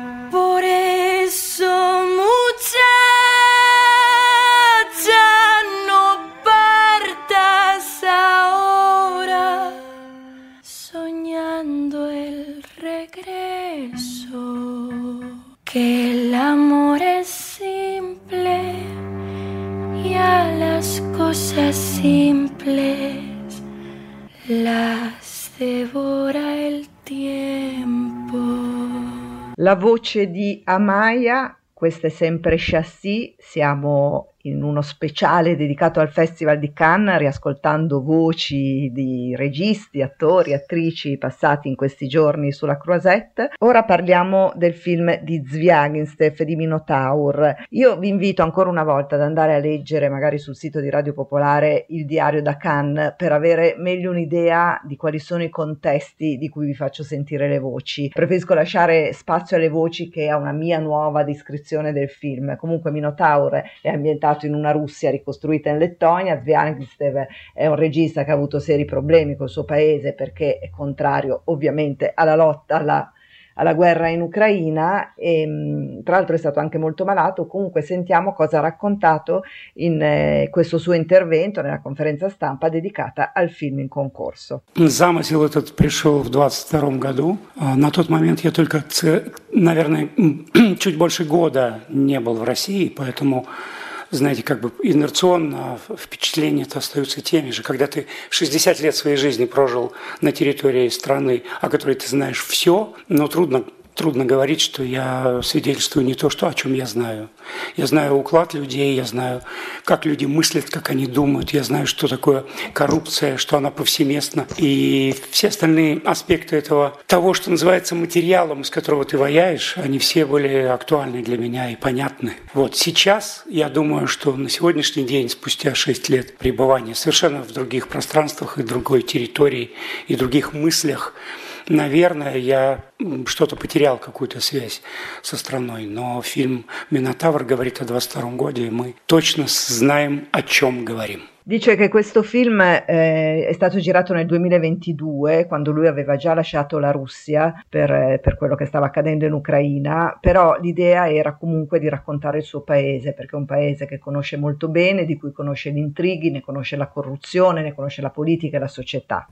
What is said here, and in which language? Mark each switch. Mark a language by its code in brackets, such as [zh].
[es] Por eso, muchacha, no partas ahora soñando el regreso. Que el amor es simple y a las cosas simples las devora el tiempo. [it] La voce di Amaya, questa è sempre Chassis. Siamo in uno speciale dedicato al Festival di Cannes, riascoltando voci di registi, attori, attrici passati in questi giorni sulla Croisette. Ora parliamo del film di Zviaginstev, di Minotaur. Io vi invito ancora una volta ad andare a leggere, magari sul sito di Radio Popolare, il diario da Cannes, per avere meglio un'idea di quali sono i contesti di cui vi faccio sentire le voci. Preferisco lasciare spazio alle voci che a una mia nuova descrizione del film. Comunque Minotaur è ambientato in una Russia ricostruita in Lettonia. Zviaginstev è un regista che ha avuto seri problemi col suo paese perché è contrario ovviamente alla lotta, alla guerra in Ucraina, e tra l'altro è stato anche molto malato. Comunque sentiamo cosa ha raccontato in questo suo intervento nella conferenza stampa dedicata al film in concorso. [ru] Замысел этот пришел в 22-м году. На тот момент я только, наверное, чуть больше года не был в России, поэтому, знаете, как бы инерционно впечатления-то остаются теми же. Когда ты 60 лет своей жизни прожил на территории страны, о которой ты знаешь все, но трудно говорить, что я свидетельствую не то, что, о чем я знаю. Я знаю уклад людей, я знаю, как люди мыслят, как они думают, я знаю, что такое коррупция, что она повсеместна. И все остальные аспекты того, что называется материалом, из которого ты ваяешь, они все были актуальны для меня и понятны. Вот сейчас, я думаю, что на сегодняшний день, спустя 6 лет пребывания совершенно в других пространствах и другой территории, и других мыслях, наверное, я что-то потерял, какую-то связь со страной, но фильм «Минотавр» говорит о 22-м годе, и мы точно знаем, о чем говорим. [it] Dice che questo film è stato girato nel 2022, quando lui aveva già lasciato la Russia per quello che stava accadendo in Ucraina, però l'idea era comunque di raccontare il suo paese, perché è un paese che conosce molto bene, di cui conosce gli intrighi, ne conosce la corruzione, ne conosce la politica e la società.